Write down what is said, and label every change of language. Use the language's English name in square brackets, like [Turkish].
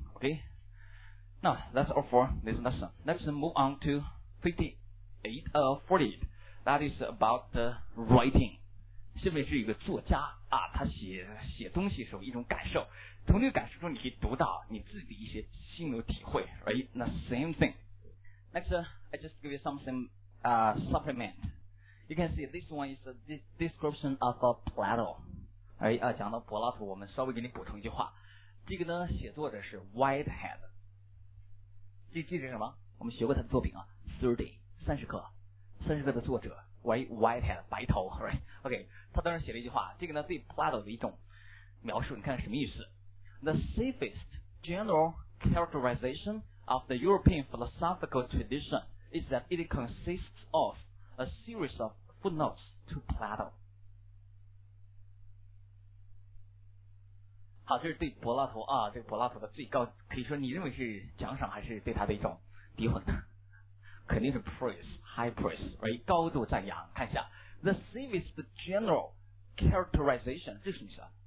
[English] OK， now that's all for this lesson. Let's move on to 48. That is about the writing. [Chinese] 下面是一个作家啊，他写东西的时候一种感受，从这个感受中你可以读到你自己的一些心有体会 ，right？ [English] 那 same thing. Next, I just give you something supplement. You can see this one is a description of a Plato. Right？ [Chinese] 啊，讲到柏拉图，我们稍微给你补充一句话。这个呢，写作者是 Whitehead。记得什么？我们学过他的作品啊 ，30 30克。三十个的作者 Whitehead 白头 right? OK， 他当时写了一句话，这个呢对 Plato 的一种描述，你看什么意思。 [English] The safest general characterization of the European philosophical tradition is that it consists of a series of footnotes to Plato。 [Chinese] 好，这是对柏拉图啊，这个柏拉图的最高，可以说你认为是奖赏还是对他的一种诋毁呢？肯定是 praise， high praise， right？ 高度赞扬。看一下 [English] the safest general characterization， [Chinese] 这是什么意思？